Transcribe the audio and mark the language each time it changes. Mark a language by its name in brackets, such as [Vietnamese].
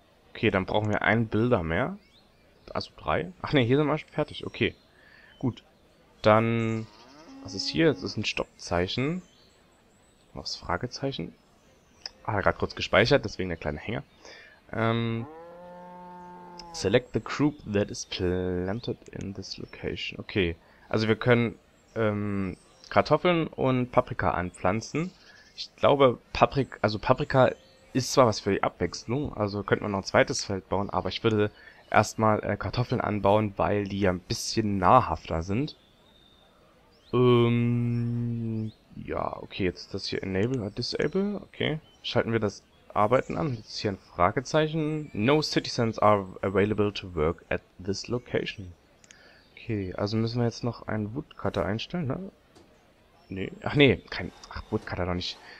[German] Okay, dann brauchen wir einen Builder mehr. Also drei. Ach ne, hier sind wir schon fertig. Okay. Gut. Dann, was ist hier? Das ist ein Stoppzeichen. Noch das Fragezeichen. Ah, gerade kurz gespeichert, deswegen der kleine Hänger. [English] Select the group that is planted in this location. [German] Okay. Also wir können Kartoffeln und Paprika anpflanzen. Ich glaube, also Paprika ist zwar was für die Abwechslung, also könnte man noch ein zweites Feld bauen, aber ich würde erstmal Kartoffeln anbauen, weil die ja ein bisschen nahrhafter sind. Ja, okay, jetzt das hier enable oder disable. Okay. Schalten wir das Arbeiten an. Jetzt hier ein Fragezeichen. [English] No citizens are available to work at this location. [German] Okay, also müssen wir jetzt noch einen Woodcutter einstellen, ne? Nee. Ach nee, kein. Ach, Woodcutter doch nicht.